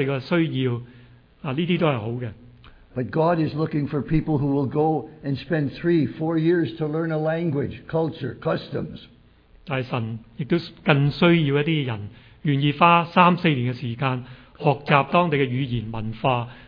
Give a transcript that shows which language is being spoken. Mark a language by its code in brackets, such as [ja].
[zh] 短期的宣教是给我们扩阔我们的眼界，了解我们的需要，这些都是好的。 [en] But God is looking for people who will go and spend 3-4 years to learn a language, culture, customs. [zh] 但神也更需要一些人愿意花三四年的时间学习当地的语言文化。